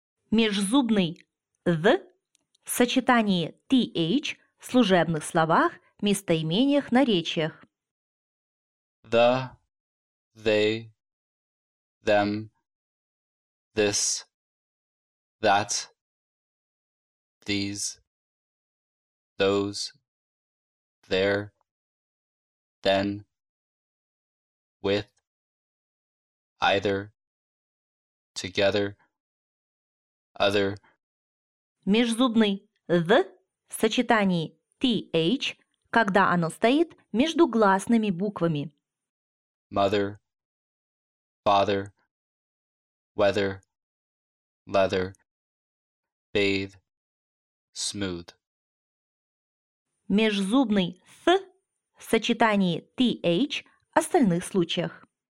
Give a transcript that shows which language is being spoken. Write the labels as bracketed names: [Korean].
[Russian] Межзубный «th» в сочетании «th» в служебных словах, местоимениях, наречиях. [English] The, they, them, this, that, these, those, there, then, with, either, together, other. [Russian] Межзубный the в сочетании th, когда оно стоит между гласными буквами. [English] Mother, father, weather, leather, bathe, smooth. [Russian] Межзубный th в сочетании th в остальных случаях.